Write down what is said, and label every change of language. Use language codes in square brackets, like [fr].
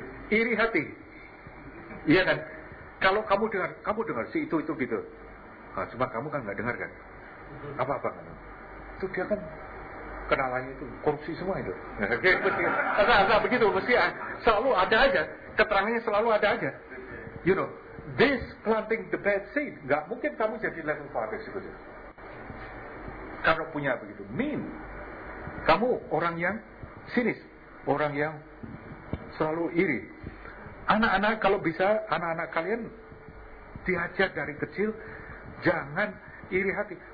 [id] Iri hati. Iya kan? Kalau kamu dengar si itu gitu. Nah, cuma kamu kan nggak dengar kan? Apa-apa kan? Itu dia kan kenalannya itu korupsi semua itu. Nggak begitu, mesti selalu ada aja. Keterangannya selalu ada aja. [en] You know, this planting the bad seed. [id] Nggak mungkin kamu jadi level 5 sebetulnya. Kalau punya begitu, mean. Kamu orang yang sinis, orang yang selalu iri. Anak-anak kalau bisa, anak-anak kalian diajak dari kecil jangan iri hati.